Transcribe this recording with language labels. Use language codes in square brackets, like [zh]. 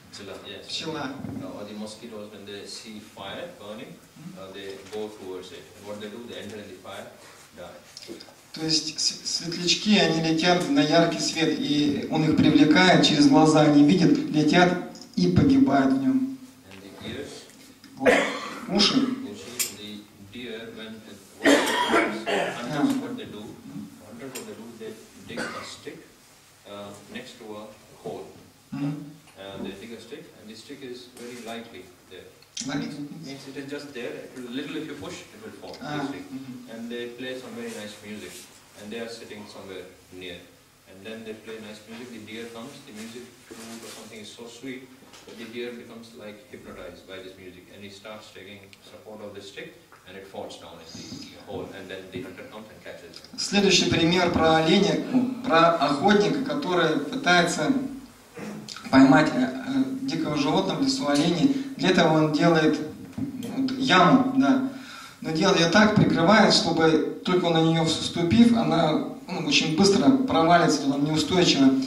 [en] Or the mosquitoes, when they see fire burning, they go towards it. And what they do? They enter in the fire, die. [ru] То есть светлячки, они летят на яркий свет, и он их привлекает через глаза, они видят, летят и погибают в нем. [en] And the ears. [ru] Уши. Уши. [en] The deer, when it hunters, what they do? Hunters, what they do? They dig a stick next to a hole. They dig a stick, and the stick is very lightly there. Means it is just there. Little if you push, it will fall. And they play some very nice music. And they are sitting somewhere near. And then they play nice music. The deer comes. The music or something is so sweet. But the deer becomes like hypnotized by this music. And he starts taking support of the stick. And it falls down in the hole. And then the hunter comes and catches it. [ru] Следующий пример про оленя, про охотника, который пытается поймать дикого животного в лесу оленя. Для этого он делает яму, да. Но делает ее так, прикрывает, чтобы только на нее вступив, она очень быстро провалится, она неустойчива.